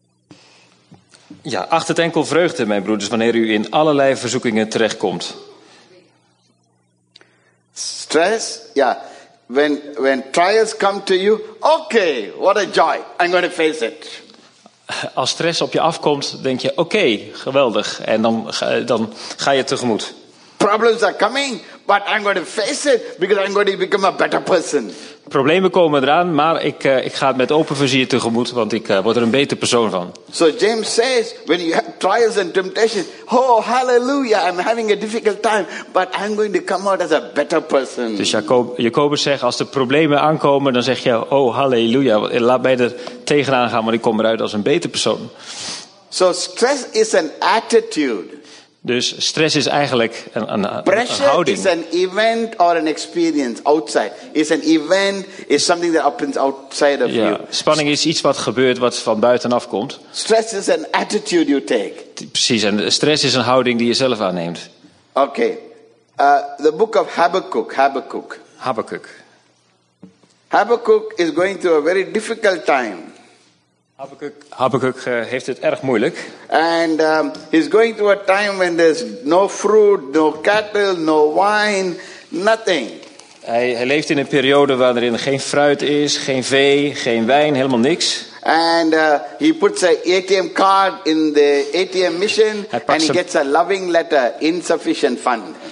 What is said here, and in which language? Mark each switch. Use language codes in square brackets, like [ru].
[nl] Oh. Ja, acht het enkel vreugde, mijn broeders, wanneer u in allerlei verzoekingen terechtkomt. Stress, ja. [en] When trials come to you, okay, what a joy. I'm going to face it. [nl] Als stress op je afkomt, denk je, okay, geweldig. En dan ga je tegemoet. [en] Problems are coming, but I'm going to face it because I'm going to become a better person. [nl] Problemen komen eraan, maar ik ga het met open vizier tegemoet, want ik word er een beter persoon van. [en] So James says, when you have trials and temptations, oh hallelujah, I'm having a difficult time, but I'm going to come out as a better person. [nl] Dus Jacobus zegt, als de problemen aankomen, dan zeg je, oh hallelujah, laat mij er tegenaan gaan, want ik kom eruit als een beter persoon. [en] So stress is an attitude. [nl] Dus stress is eigenlijk een [en] pressure [nl] houding. [en] Is an event or an experience outside. It's an event, is something that happens outside of [nl] ja, [en] you. [nl] Spanning is iets wat gebeurt, wat van buitenaf komt. [en] Stress is an attitude you take. [nl] Precies, en stress is een houding die je zelf aanneemt. [en] Oké, okay. The book of Habakkuk. Habakkuk. Habakkuk is going through a very difficult time. [nl] Habakkuk heeft het erg moeilijk. [en] And he's going through a time when there's no fruit, no cattle, no wine, nothing. [nl] Hij leeft in een periode waarin geen fruit is, geen vee, geen wijn, helemaal niks. [en] And he puts an ATM card in the ATM machine and he gets a loving letter, insufficient fund.